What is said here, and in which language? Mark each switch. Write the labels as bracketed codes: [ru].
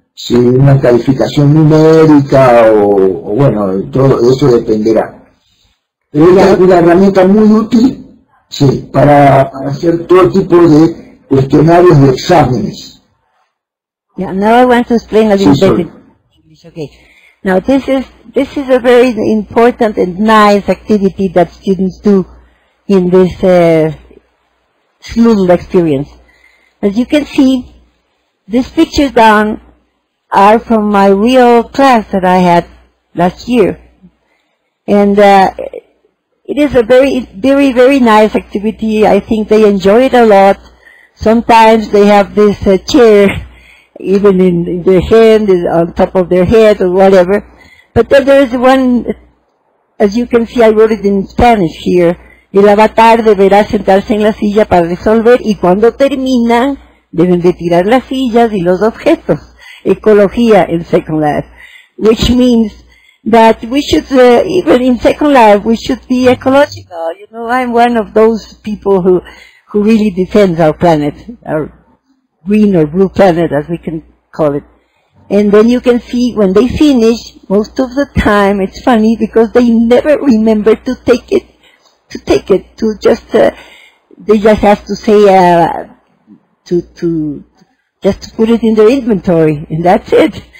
[es] Si una calificación numérica o bueno, todo eso dependerá. Pero es una herramienta muy útil, sí, para hacer todo tipo de cuestionarios de exámenes. [en] Yeah, now I want to explain a little bit in English. Okay. Now this is a very important and nice activity that students do in this Smoodle experience. As you can see, these pictures down are from my real class that I had last year, and it is a very, very, very nice activity. I think they enjoy it a lot. Sometimes they have this chair even in their hand, on top of their head, or whatever. But then there is one, as you can see, I wrote it in Spanish here. [es] El avatar deberá sentarse en la silla para resolver, y cuando terminan, deben de tirar las sillas y los objetos. [en] Ecología in Second Life. Which means that we should, even in Second Life, we should be ecological. You know, I'm one of those people who really defends our planet. Green or blue planet, as we can call it. And then you can see when they finish, most of the time it's funny because they never remember to take it, they just have to say, just to put it in their inventory, and that's it.